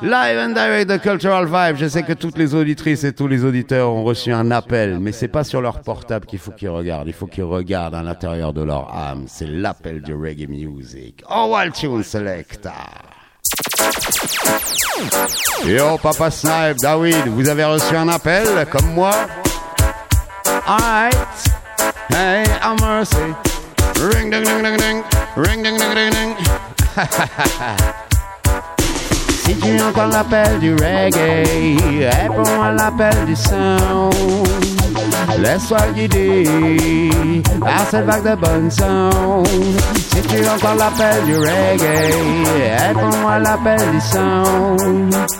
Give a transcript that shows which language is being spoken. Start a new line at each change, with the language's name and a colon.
English: Live and direct, the cultural vibe.
French: Je sais que toutes les auditrices et tous les auditeurs ont reçu un appel, mais c'est pas sur leur portable qu'il faut qu'ils regardent. Il faut qu'ils regardent à l'intérieur de leur âme. C'est l'appel du reggae music. Oh, Wild Tune Selecta. Yo, Papa Snipe, David, vous avez reçu un appel, comme moi?
English: Alright. Hey, I'm mercy. Ring, ding, ding, ding, ding. Ring, ding, ding, ding, ding.
French: Si tu entends l'appel du reggae, réponds à l'appel du sound. Laisse-toi guider à cette vague de bonne sound. Si tu entends l'appel du reggae, réponds à l'appel du sound.